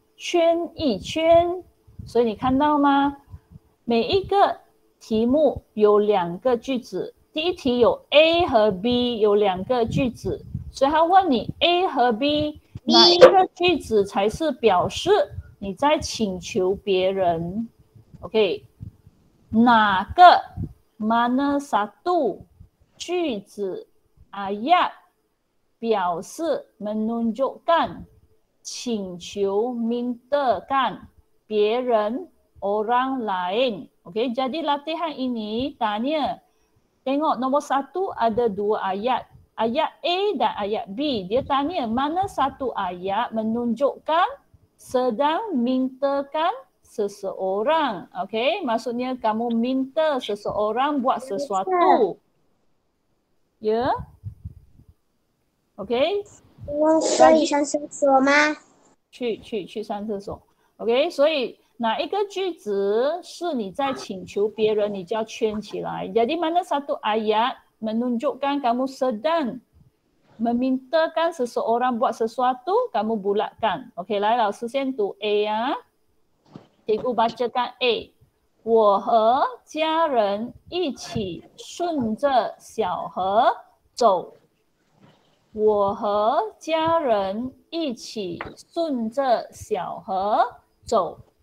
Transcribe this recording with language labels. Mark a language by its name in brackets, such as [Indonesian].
[Chinese] 圈一圈。所以你看到吗？每一个题目有两个句子。第一题有 A 和 B, 有两个句子。所以他问你 A 和 B, 哪一个句子才是表示你在请求别人？ [Malay] OK, 哪个 mana satu 句子 ayat 表示 menunjukkan 请求 mintakan 别人 orang lain. OK, jadi latihan ini tanya, tengok nombor satu ada dua ayat, ayat A dan ayat B. Dia tanya mana satu ayat menunjukkan sedang mintakan seseorang. OK, maksudnya kamu minta seseorang buat sesuatu. Ya, yeah? OK. [Chinese] 我可以上厕所吗？去上厕所。 OK, 所以哪一个句子是你在请求别人，你就要圈起来。 [Malay] Jadi mana satu ayat menunjukkan kamu sedang memintakan seseorang buat sesuatu, kamu bulatkan. [Chinese] OK, 来老师先读 A 啊。请勿把这干 A, 我和家人一起顺着小河走。我和家人一起顺着小河走。